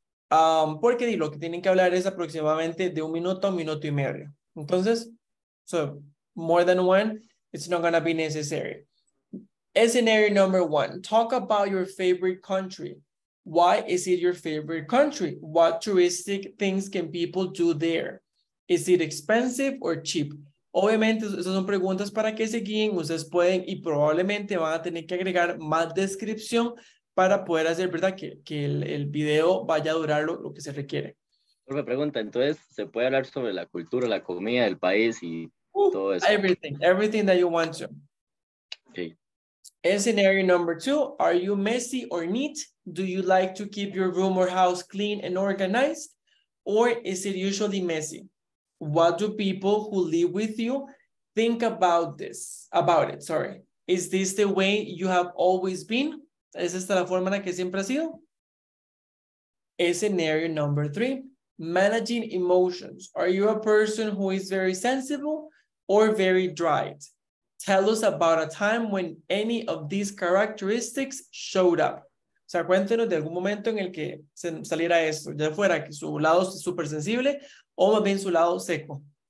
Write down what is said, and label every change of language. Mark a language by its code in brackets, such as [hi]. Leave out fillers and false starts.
[es] Porque lo que tienen que hablar es aproximadamente de 1 minuto a 1 minuto y medio. [en] Entonces, so more than one, it's not going to be necessary. Scenario number one, talk about your favorite country. Why is it your favorite country? What touristic things can people do there? Is it expensive or cheap? [es] Obviamente, esas son preguntas para que se guíen. Ustedes pueden y probablemente van a tener que agregar más descripción para poder hacer, ¿verdad?, que el video vaya a durar lo que se requiere. Me pregunta, entonces, ¿se puede hablar sobre la cultura, la comida, el país y todo eso? [en] Everything that you want to. Okay. And scenario number two, are you messy or neat? Do you like to keep your room or house clean and organized? Or is it usually messy? What do people who live with you think about this? About it, sorry. Is this the way you have always been? [es] ¿Es esta la forma en la que siempre ha sido? [en] And scenario number three, managing emotions. Are you a person who is very sensible or very dry? Tell us about a time when any of these characteristics showed up. [es] O sea, cuéntenos de algún momento en el que se saliera esto, ya fuera que su lado es súper sensible o más bien su lado seco.